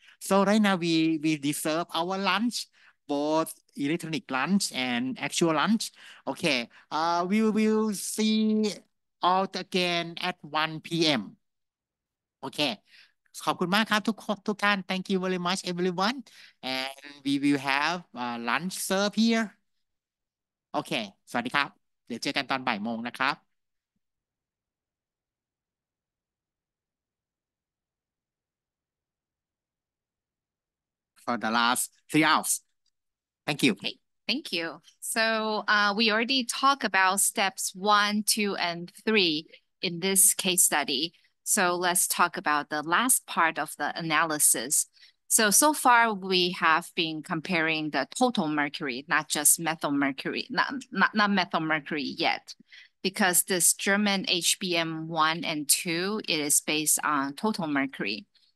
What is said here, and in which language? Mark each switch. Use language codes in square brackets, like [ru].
[en] So right now we deserve our lunch, both electronic lunch and actual lunch. Okay, we will see out again at 1 p.m. Okay, [th] ขอบคุณมากครับทุกท่าน [en] Thank you very much everyone, and we will have lunch served here. [th] Okay, สวัสดีครับเดี๋ยวเจอกันตอนบ่ายโมงนะครับ [en] For the last 3 hours. Thank you. Okay, thank you. So we already talked about steps 1, 2, and 3 in this case study. So let's talk about the last part of the analysis. So far we have been comparing the total mercury, not just methyl mercury, not methyl mercury yet, because this German HBM 1 and 2, it is based on total mercury.